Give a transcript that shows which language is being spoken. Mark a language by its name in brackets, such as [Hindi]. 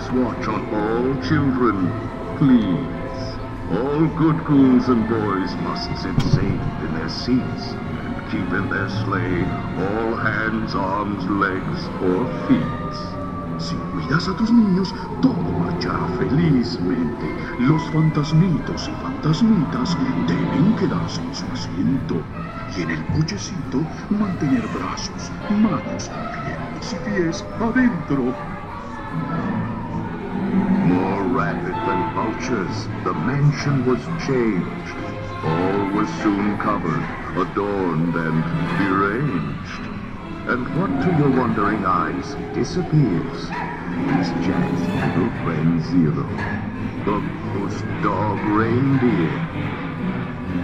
[English] Children, please. All good ghouls and boys must sit safe in their seats and keep in their sleigh all hands, arms, legs, or feet. See, we [Spanish] veías a tus niños, todo marchará felizmente. Los fantasmitos y fantasmitas deben quedarse en su asiento. Y en el cochecito, mantener brazos, manos, piernas y pies adentro. [English] More rapid than vultures, the mansion was changed. All was soon covered, adorned, and deranged. And what to your wondering eyes disappears is Jack's little friend Zero, the Puss Dog Reindeer.